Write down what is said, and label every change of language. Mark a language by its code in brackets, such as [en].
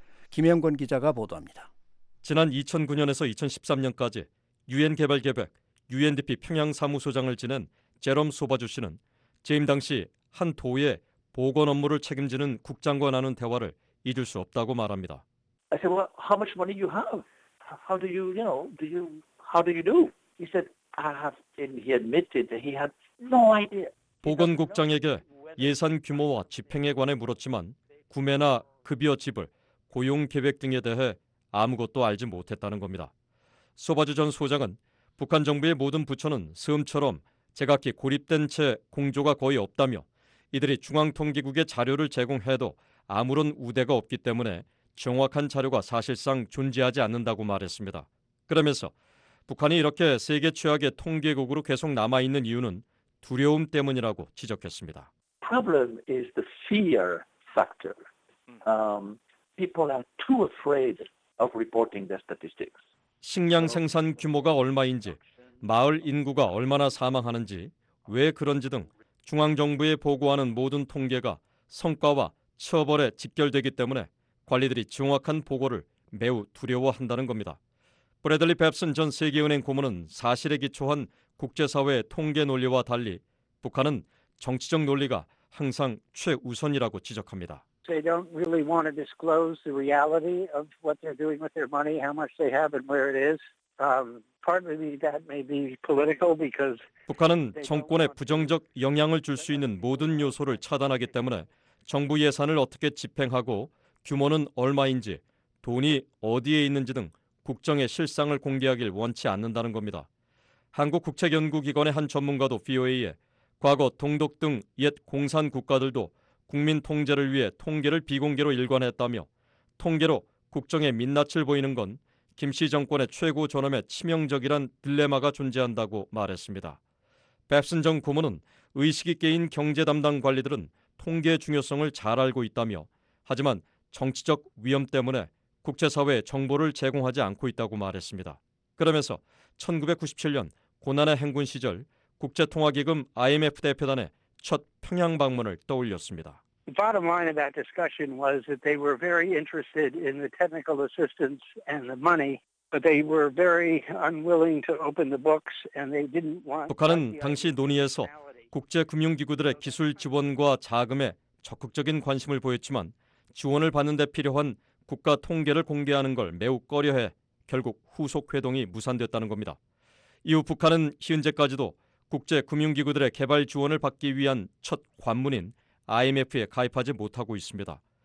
[ko] 김영권 기자가 보도합니다. 지난 2009년에서 2013년까지 유엔 개발 계획 UNDP 평양 사무소장을 지낸 제롬 소바주 씨는 재임 당시 한 도의 보건 업무를 책임지는 국장과 나눈 대화를 잊을 수 없다고 말합니다. [en] I said, well, how much money you have? How do you, you know, do you, how do you do? He said, I have, and he admitted that he had no idea. [ko] 보건국장에게 예산 규모와 집행에 관해 물었지만 구매나 급여 지불, 고용 계획 등에 대해 아무것도 알지 못했다는 겁니다. 소바주 전 소장은 북한 정부의 모든 부처는 섬처럼 제각기 고립된 채 공조가 거의 없다며 이들이 중앙통계국의 자료를 제공해도 아무런 우대가 없기 때문에 정확한 자료가 사실상 존재하지 않는다고 말했습니다. 그러면서 북한이 이렇게 세계 최악의 통계국으로 계속 남아있는 이유는 두려움 때문이라고 지적했습니다. [en] The problem is the fear factor. People are too afraid of reporting their statistics. [ko] 식량 생산 규모가 얼마인지, 마을 인구가 얼마나 사망하는지, 왜 그런지 등 중앙정부에 보고하는 모든 통계가 성과와 처벌에 직결되기 때문에 관리들이 정확한 보고를 매우 두려워한다는 겁니다. 브래들리 뱁슨 전 세계은행 고문은 사실에 기초한 국제사회의 통계 논리와 달리 북한은 정치적 논리가 항상 최우선이라고 지적합니다. [en] They don't really want to disclose the reality of what they're doing with their money, how much they have and where it is. Partly that may be political because [ko] 북한은 정권에 부정적 영향을 줄 수 있는 모든 요소를 차단하기 때문에 정부 예산을 어떻게 집행하고 규모는 얼마인지, 돈이 어디에 있는지 등 국정의 실상을 공개하길 원치 않는다는 겁니다. 한국국책연구기관의 한 전문가도 VOA에 과거 동독 등 옛 공산 국가들도 국민 통제를 위해 통계를 비공개로 일관했다며 통계로 국정의 민낯을 보이는 건 김 씨 정권의 최고 전엄의 치명적이란 딜레마가 존재한다고 말했습니다. 뱁슨 전 고문은 의식이 깨인 경제 담당 관리들은 통계의 중요성을 잘 알고 있다며 하지만 정치적 위험 때문에 국제사회에 정보를 제공하지 않고 있다고 말했습니다. 그러면서 1997년 고난의 행군 시절 국제통화기금 IMF 대표단의 첫 평양 방문을 떠올렸습니다. [en] The bottom line of that discussion was that they were very interested in the technical assistance and the money, but they were very unwilling to open the books and they didn't want [ko] 북한은 당시 논의에서 국제 금융 기구들의 기술 지원과 자금에 적극적인 관심을 보였지만 지원을 받는 데 필요한 국가 통계를 공개하는 걸 매우 꺼려해 결국 후속 회동이 무산됐다는 겁니다. 이후 북한은 현재까지도 국제금융기구들의 개발 지원을 받기 위한 첫 관문인 IMF에 가입하지 못하고 있습니다.